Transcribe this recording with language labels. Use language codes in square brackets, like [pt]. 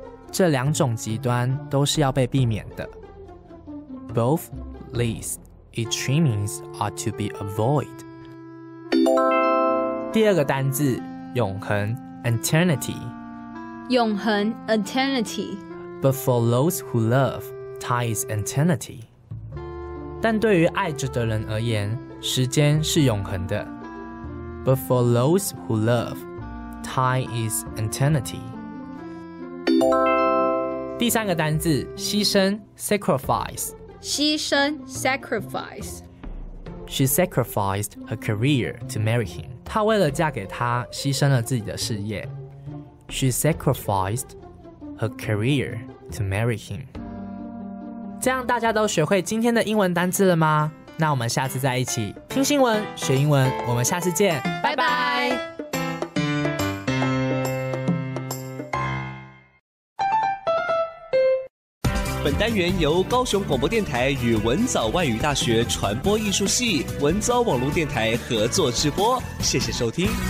[zh] 这两种极端都是要被避免的。 [en] Both these extremes are to be avoided。 [zh] 第二个单字，永恒 ，eternity。永恒 ，eternity。 [en] But for those who love, time is eternity. [zh] 但对于爱着的人而言，时间是永恒的。 [en] But for those who love, time is eternity. [zh] 第三个单字，牺牲 ，sacrifice。牺牲 ，sacrifice。 [en] She sacrificed her career to marry him. [zh] 她为了嫁给他，牺牲了自己的事业。 [en] She sacrificed her career to marry him. [zh] 这样大家都学会今天的英文单字了吗？那我们下次再一起听新闻学英文，我们下次见，拜拜。本单元由高雄广播电台与文藻外语大学传播艺术系文藻网络电台合作直播，谢谢收听。